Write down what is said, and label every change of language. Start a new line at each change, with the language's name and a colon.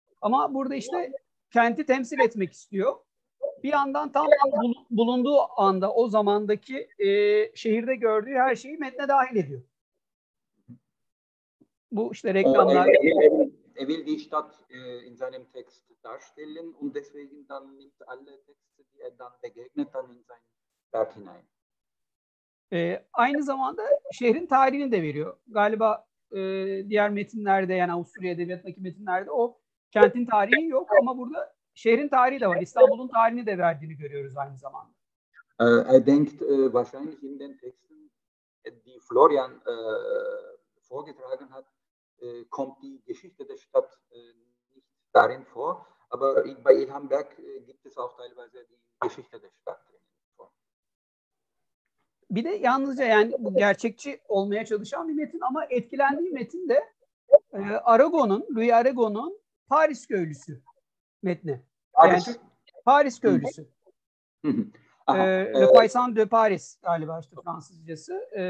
Turkish: Ama burada işte kenti temsil etmek istiyor. Bir yandan tam bulunduğu anda o zamandaki şehirde gördüğü her şeyi metne dahil ediyor. Bu işte reklamlar.
German: Er will die Stadt in seinem Text darstellen und deswegen dann nimmt alle Texte, die er dann begegnet, dann in sein Werk hinein.
Turkish: Aynı zamanda şehrin tarihini de veriyor. Galiba diğer metinlerde, yani Avusturya Edebiyatı'ndaki metinlerde o kentin tarihi yok ama burada şehrin tarihi de var. İstanbul'un tarihini de verdiğini görüyoruz aynı zamanda.
German: Er denkt wahrscheinlich in den Texten, die Florian vorgetragen hat, kommt die Geschichte der Stadt nicht darin vor, aber bei Ilhan Berk gibt es auch teilweise die Geschichte der Stadt drin.
Turkish: Bir de yalnızca yani bu gerçekçi olmaya çalışan bir metin ama etkilendiği metin de Aragon'un, Louis Aragon'un Paris Köylüsü metni. Paris Köylüsü. Le Paysan de Paris galiba işte Fransızcası.